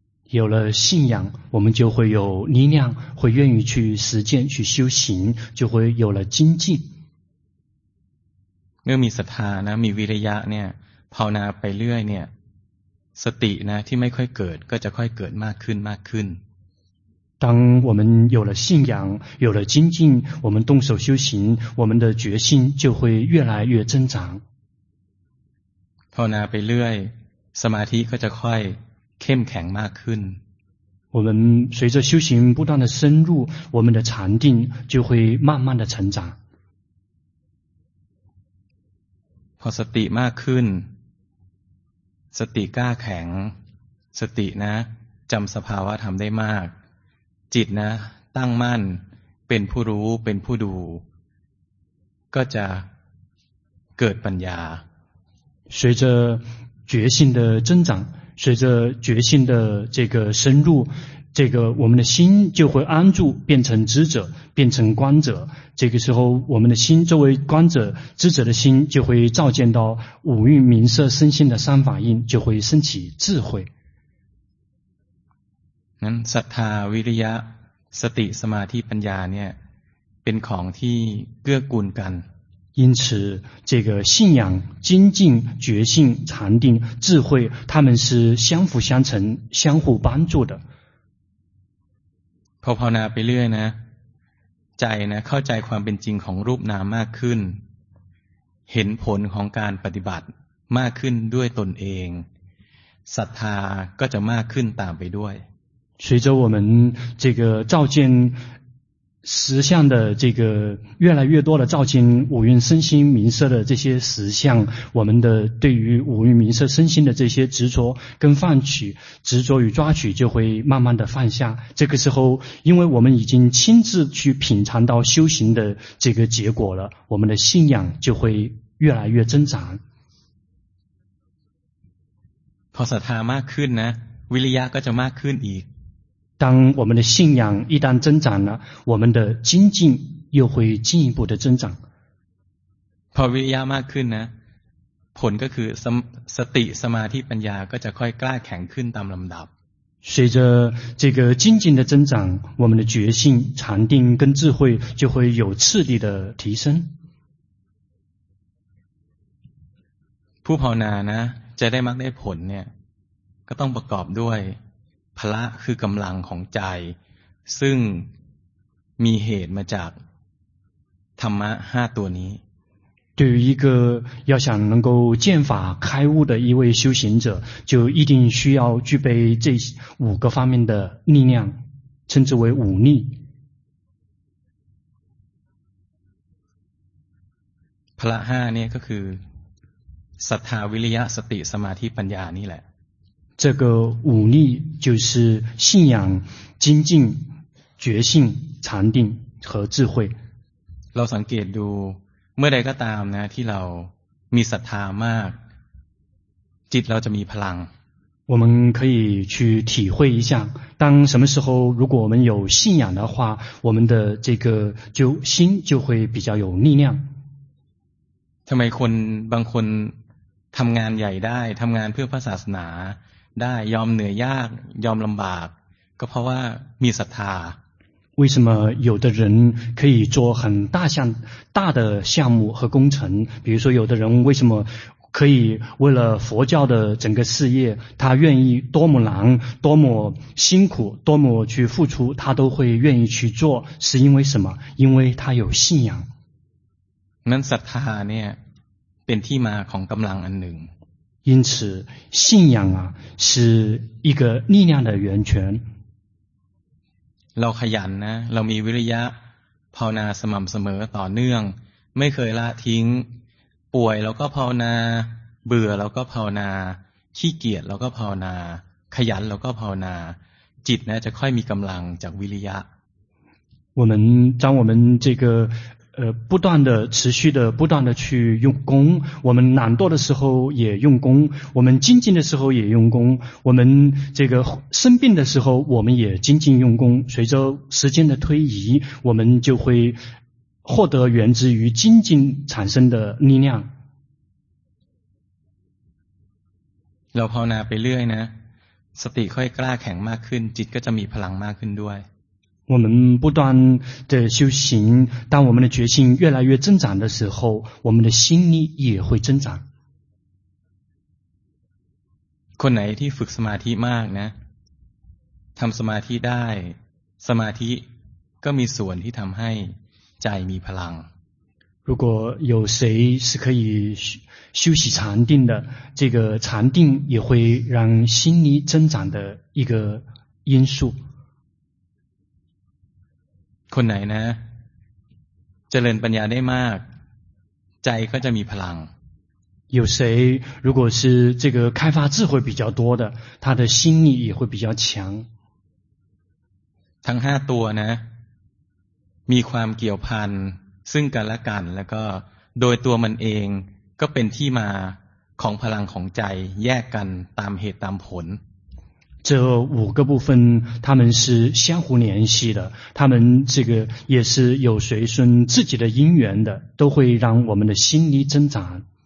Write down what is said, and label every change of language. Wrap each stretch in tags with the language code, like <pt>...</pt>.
<zh>有了信仰，我们就会有力量，会愿意去实践、去修行，就会有了精进。</zh> <th>เมื่อมีศรัทธานะมีวิริยะเนี่ยภาวนาไปเรื่อยเนี่ยสตินะที่ไม่ค่อยเกิดก็จะค่อยเกิดมากขึ้นมากขึ้น</th> <zh>当我们有了信仰，有了精进，我们动手修行，我们的决心就会越来越增长。</zh> <th>ภาวนาไปเรื่อยสมาธิก็จะค่อยเข้มแข็งมากขึ้น</th> <zh>我们随着修行不断的深入，我们的禅定就会慢慢的成长。</zh> <th>พอสติมากขึ้นสติกล้าแข็งสตินะจำสภาวะธรรมได้มากจิตนะตั้งมั่นเป็นผู้รู้เป็นผู้ดูก็จะเกิดปัญญา</th> <zh>随着决心的增长随着决心的这个深入，这个我们的心就会安住，变成知者，变成观者。这个时候，我们的心作为观者、知者的心，就会照见到五蕴名色身心的三法印，就会升起智慧。</zh> <th>นั้น ศรัทธา วิริยะ สติ สมาธิ ปัญญา เนี่ย เป็นของที่เกื้อกูลกัน</th> <zh>因此这个信仰精进觉性禅定智慧他们是相辅相成相互帮助的</zh> <th>พอภาวนาไปเรื่อยนะใจนะเข้าใจความเป็นจริงของรูปนามมากขึ้นเห็นผลของการปฏิบัติมากขึ้นด้วยตนเองศรัทธาก็จะมากขึ้นตามไปด้วย</th> <zh>随着我们这个照见实相的这个越来越多的照进五蕴身心名色的这些实相，我们的对于五蕴名色身心的这些执着跟放取，执着与抓取就会慢慢的放下。这个时候，因为我们已经亲自去品尝到修行的这个结果了，我们的信仰就会越来越增长。菩萨他</zh> <th>มากขึ้นนะ，วิริยะก็จะมากขึ้นอีก。</th> <zh>当我们的信仰一旦增长了，我们的精进又会进一步的增长。</zh> <th>พอวิริยะมากขึ้นนะ，ผลก็คือสติสมาธิปัญญาก็จะค่อยกล้าแข็งขึ้นตามลำดับ。</th> <zh>随着这个精进的增长，我们的觉性、禅定跟智慧就会有次第的提升。</zh> <th>ผู้ภาวนานะจะได้มรรคได้ผลเนี่ยก็ต้องประกอบด้วยพละคือกำลังของใจซึ่งมีเหตุมาจากธรรมะห้าตัวนี้</th> <zh>对于一个要想能够见法开悟的一位修行者，就一定需要具备这五个方面的力量，称之为五力。</zh> <th>พละห้าเนี่ยก็คือศรัทธาวิริยะสติสมาธิปัญญานี่แหละ</th> <zh>这个五力就是信仰精进觉性禅定和智慧</zh> <th>เราสังเกตดูเมื่อใดก็ตามนะที่เรามีศรัทธามากจิตเราจะมีพลัง</th> <zh>我们可以去体会一下当什么时候如果我们有信仰的话我们的这个就心就会比较有力量</zh> <th>ทำไมคนบางคนทำงานใหญ่ได้ทำงานเพื่อพระศาสนาได้ยอมเหนื่อยยากยอมลำบากก็เพราะว่ามีศรัทธา</th> <zh>为什么有的人可以做很大项大的项目和工程比如说有的人为什么可以为了佛教的整个事业他愿意多么难多么辛苦多么去付出他都会愿意去做是因为什么因为他有信仰</zh> <th>นั้นศรัทธาเนี่ยเป็นที่มาของกำลังอันหนึ่ง</th> <zh>因此信仰啊是一个力量的源泉</zh> <th>เราขยันนะเรามีวิริยะภาวนาสม่ำเสมอต่อเนื่องไม่เคยละทิ้งป่วยเราก็ภาวนาเบื่อเราก็ภาวนาขี้เกียจเราก็ภาวนาขยันเราก็ภาวนาจิตนะจะค่อยมีกำลังจากวิริยะ</th> <zh>我们将我们这个不断的持续的不断的去用功我们懒惰的时候也用功我们精进的时候也用功我们这个生病的时候我们也精进用功随着时间的推移我们就会获得源自于精进产生的力量</zh> <th>เราภาวนาไปเรื่อยนะสติค่อยกล้าแข็งมากขึ้นจิตก็จะมีพลังมากขึ้นด้วย</th> <zh>我们不断的修行，当我们的决心越来越增长的时候，我们的心力也会增长。</zh> <th>คนไหนที่ฝึกสมาธิมากนะ，ทำสมาธิได้，สมาธิก็มีส่วนที่ทำให้ใจมีพลัง。</th> <zh>如果有谁是可以修习禅定的，这个禅定也会让心力增长的一个因素。</zh> <th>คนไหนนะเจริญปัญญาได้มากใจก็จะมีพลัง</th> <zh>有谁如果是这个开发智慧比较多的他的心力也会比较强</zh> <th>ทั้ง5ตัวนะมีความเกี่ยวพันซึ่งกันและกันแล้วก็โดยตัวมันเองก็เป็นที่มาของพลังของใจแยกกันตามเหตุตามผล</th> <zh>这五个部分他们是相互联系的他们这个也是有随顺自己的因缘的都会让我们的心力增长</zh>